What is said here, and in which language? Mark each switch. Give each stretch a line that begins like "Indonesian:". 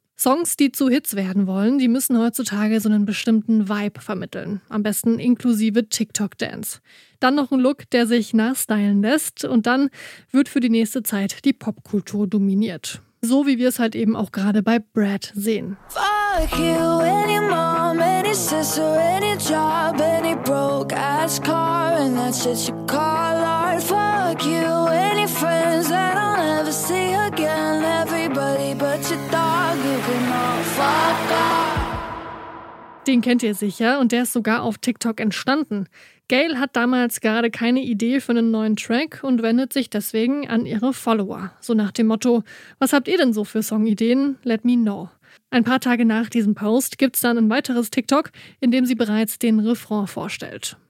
German: Songs, die zu Hits werden wollen, die müssen heutzutage so einen bestimmten Vibe vermitteln. Am besten inklusive TikTok-Dance. Dann noch ein Look, der sich nachstylen lässt und dann wird für die nächste Zeit die Popkultur dominiert. So wie wir es halt eben auch gerade bei Brad sehen.
English: Fuck you and your mom, any sister, any job, any broke ass car, and that's just your call art. Fuck you and your friends that I'll never see again, everybody but your dog, you can all fuck off.
German: Den kennt ihr sicher und der ist sogar auf TikTok entstanden. Gail hat damals gerade keine Idee für einen neuen Track und wendet sich deswegen an ihre Follower. So nach dem Motto, was habt ihr denn so für Songideen?
English: Let me know.
German: Ein paar Tage nach diesem Post gibt's dann ein weiteres TikTok, in dem sie bereits den Refrain vorstellt.